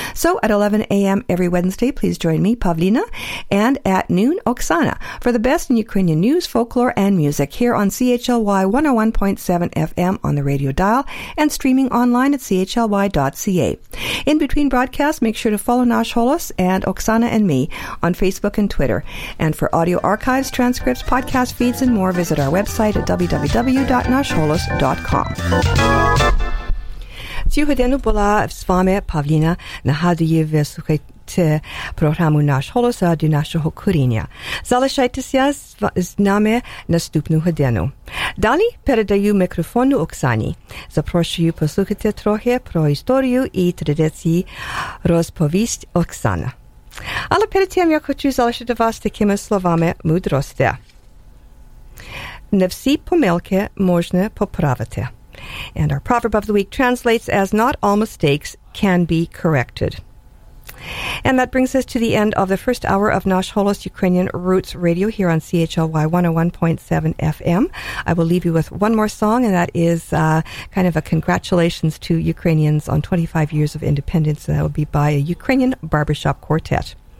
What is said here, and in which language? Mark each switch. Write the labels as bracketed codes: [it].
[en] So at 11 a.m. every Wednesday, please join me, Pavlina, and at noon, Oksana, for the best in Ukrainian news, folklore, and music here on CHLY 101.7 FM on the radio dial and streaming online at chly.ca. In between broadcasts, make sure to follow Nash Holos and Oksana and me on Facebook and Twitter. And for audio archives, transcripts, podcast feeds, and more, visit our website at www.nashholos.com. [uk] Цю годину була з вами Павліна. Нагадую, ви слухаєте програму «Наш голос» до нашого коріння. Залишайтеся з нами наступну годину. Далі передаю мікрофон Оксані. Запрошую послухати трохи про історію і традиції розповість Оксана. Але перед тим я хочу залишити вас такими словами мудрості. Не всі помилки можна поправити. [en] And our proverb of the week translates as, not all mistakes can be corrected. And that brings us to the end of the first hour of Nash Holos Ukrainian Roots Radio here on CHLY 101.7 FM. I will leave you with one more song, and that is kind of a congratulations to Ukrainians on 25 years of independence. And that will be by a Ukrainian barbershop quartet.